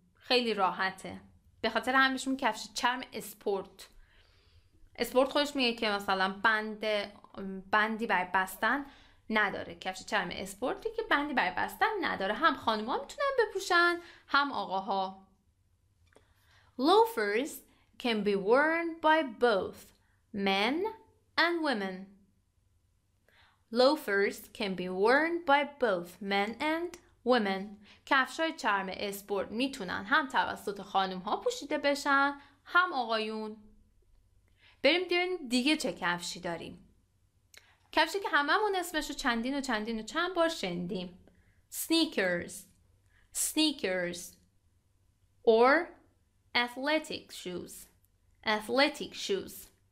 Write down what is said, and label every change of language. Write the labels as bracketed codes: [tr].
[fa] خیلی راحته. به خاطر همیشون کفش چرم اسپورت. اسپورت خودش میگه که مثلا بندی برای بستن نداره. کفش چرم اسپورتی که بندی برای بستن نداره. هم خانوما میتونن بپوشن هم آقاها. [en] Loafers can be worn by both men and women. Loafers can be worn by both men and women. [fa] کفشای چرم اسپورت میتونن هم توسط خانوما پوشیده بشن هم آقایون. بریم ببینیم دیگه چه کفشی داریم. کفشی که هممون اسمش رو چندین و چند بار شنیدیم. [en] Sneakers. Or athletic shoes.